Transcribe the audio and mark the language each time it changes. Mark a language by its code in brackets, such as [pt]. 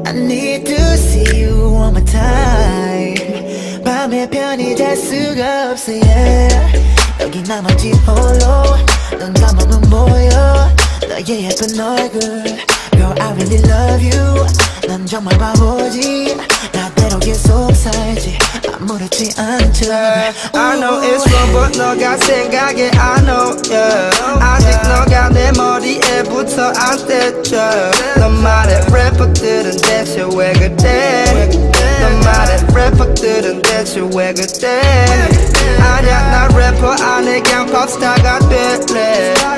[en] I need to see you one more time. [ko] 밤에 편히 잘 수가 없어 yeah. 여기 나머지 홀로 넌 가만은 보여. 너의 예쁜 얼굴 [en] Girl I really love you. [ko] 난 정말 바보지 나대로 계속 살지 아무렇지 않은 척. [en] Yeah, I know it's wrong but [ko] 너가 생각해 [en] I know yeah. [ko] 아직 너가 내 머리에 붙어 안 됐죠. 너 말해 래퍼들은 대체 왜 그래. 너 말해 래퍼들은 대체 왜 그래. 아니야 나 래퍼 아니 그냥 팝스타가 될래.